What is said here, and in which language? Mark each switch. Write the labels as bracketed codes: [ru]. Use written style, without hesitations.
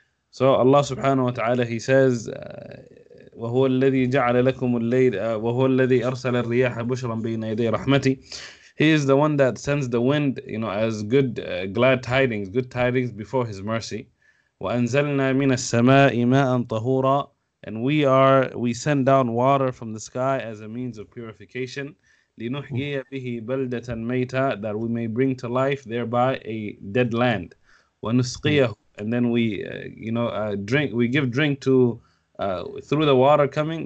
[en] So Allah subhanahu wa ta'ala, He says, [ar] وهو الذي جعل لكم الليل وهو الذي أرسل الرياح بشرا بين يدي رحمتي. [en] He is the one that sends the wind, you know, as good glad tidings, good tidings before His mercy. [ar] وأنزلنا من السماء ماء طهورا. [en] And we send down water from the sky as a means of purification. [ar] لِنُحْيِيَ بِهِ بَلْدَةً مَيْتًا, [en] that we may bring to life thereby a dead land. [ar] وَنُسْقِيَهُ, [en] and then we, drink. We give drink to through the water coming.